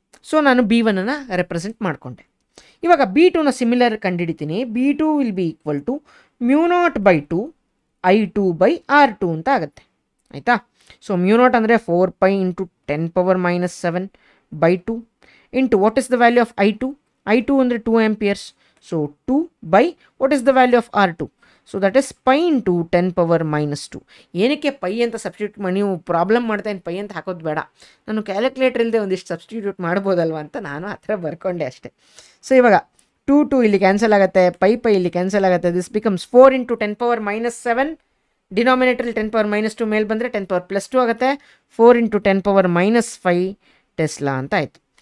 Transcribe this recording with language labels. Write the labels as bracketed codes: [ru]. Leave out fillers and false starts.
[kn] So ನಾನು B1 represent ಮಾಡಿಕೊಂಡೆ. ಇವಾಗ B2 similar ಕಂಡುಹಿಡಿತೀನಿ. [en] B2 will be equal to mu naught by 2 I2 by R2 [kn] ಅಂತ ಆಗುತ್ತೆ. ಆಯಿತಾ? ಸೊ ಮ್ಯೂ ನಾಟ್ ಅಂದರೆ 4π × 10⁻⁷ by 2 [en] into what is the value of I2? I2 under 2 amperes. So 2 by what is the value of R2? So that is pi into 10 power minus 2. [kn] ಏನಕ್ಕೆ pi ಅಂತ substitute ಮಾಡಿ ನೀವು problem ಮಾಡ್ತೇನೆ pi ಅಂತ ಹಾಕೋದು ಬೇಡ, ನಾನು ಕ್ಯಾಲ್ಕುಲೇಟರ್ ಇಲ್ಲದೆ ಒಂದಿಷ್ಟು ಸಬ್ಸ್ಟಿಟ್ಯೂಟ್ ಮಾಡ್ಬೋದಲ್ವ ಅಂತ ನಾನು ಆ ಥರ ಬರ್ಕೊಂಡೆ ಅಷ್ಟೆ. ಸೊ ಇವಾಗ 2 ಇಲ್ಲಿ ಕ್ಯಾನ್ಸಲ್ ಆಗುತ್ತೆ, ಪೈ ಇಲ್ಲಿ ಕ್ಯಾನ್ಸಲ್ ಆಗುತ್ತೆ, [en] this becomes 4 into 10 power minus 7, [kn] denominator 10 power minus 2 ಮೇಲೆ ಬಂದರೆ 10 ಪವರ್ ಪ್ಲಸ್ 2 ಆಗುತ್ತೆ, 4 ಇಂಟು 10 ಪವರ್ ಮೈನಸ್ 5 ಟೆಸ್ಲಾ ಅಂತ ಆಯಿತು.